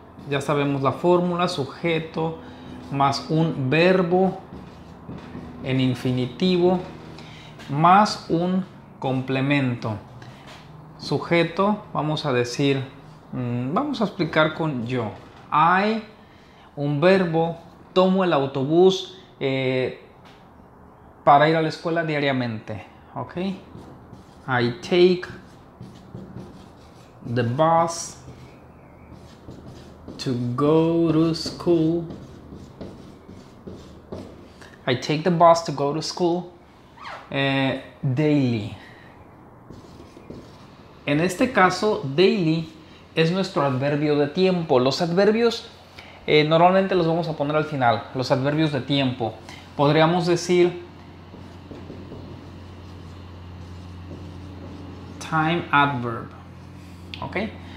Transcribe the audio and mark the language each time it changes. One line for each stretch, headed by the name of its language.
Spanish: Ya sabemos la fórmula, sujeto más un verbo en infinitivo más un complemento. Sujeto, vamos a decir, vamos a explicar con yo. I, un verbo, tomo el autobús para ir a la escuela diariamente.
English: Okay. I take the bus to go to school. I take the bus to go to school daily.
Spanish: En este caso, daily es nuestro adverbio de tiempo. Los adverbios normalmente los vamos a poner al final. Los adverbios de tiempo. Podríamos decir time adverb. Okay.